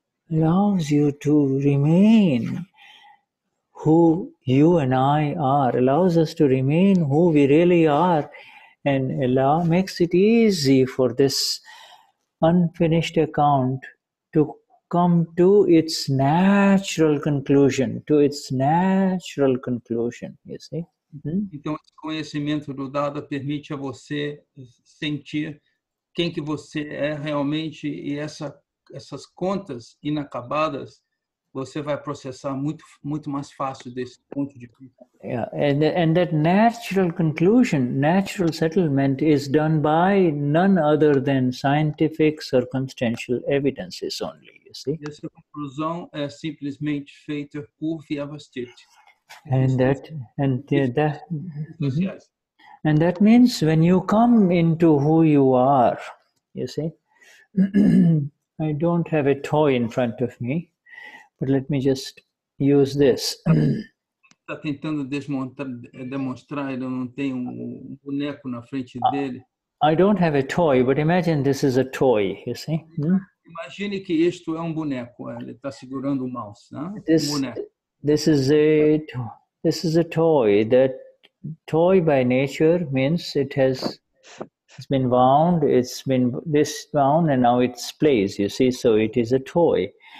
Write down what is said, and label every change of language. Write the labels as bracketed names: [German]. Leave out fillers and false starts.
[English] to remain who you and I are, allows us to remain who we really are, and makes it easy for this unfinished account to come to its natural conclusion, you see? [Portuguese] Então, esse conhecimento do dado permite a você sentir quem que você é realmente, e essas contas inacabadas você vai processar muito, muito mais fácil desse ponto de vista. [English] And that natural conclusion, natural settlement is done by none other than scientific circumstantial evidences only, you see? [Portuguese] E essa conclusão é simplesmente feita por Vyavastiti. [English] And that means when you come into who you are, you see, I don't have a toy in front of me, but let me just use this. [Portuguese] Está tentando demonstrar, ele não tem um boneco na frente dele. [English] I don't have a toy, but imagine this is a toy, you see. [Portuguese] Imagine que isto é um boneco, ele está segurando o mouse, né? [English] This, this is a toy that toy by nature means it has it's been wound, it's been this wound and now it's plays, you see, so it is a toy.